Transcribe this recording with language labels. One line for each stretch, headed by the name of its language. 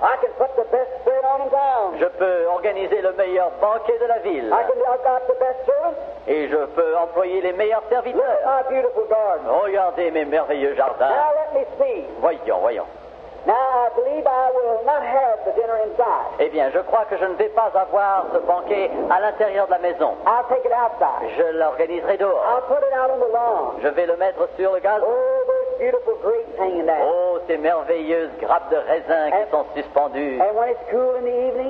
English: I can put the best bed on him down.
French: Je peux organiser le meilleur banquet de la ville.
English: I can adopt the best servants.
French: Et je peux employer les meilleurs serviteurs.
English: Look at my beautiful garden.
French: Regardez mes merveilleux jardins.
English: Now let me see.
French: Voyons, voyons.
English: Now I believe I will not have the dinner inside.
French: Eh bien, je crois que je ne vais pas avoir ce banquet à l'intérieur de la maison.
English: I'll take it outside.
French: Je l'organiserai dehors.
English: I'll put it out on the lawn.
French: Je vais le mettre sur le gazon.
English: Oh, those beautiful grapes hanging there.
French: Oh, ces merveilleuses grappes de raisin qui sont suspendues.
English: And when it's cool in the evening.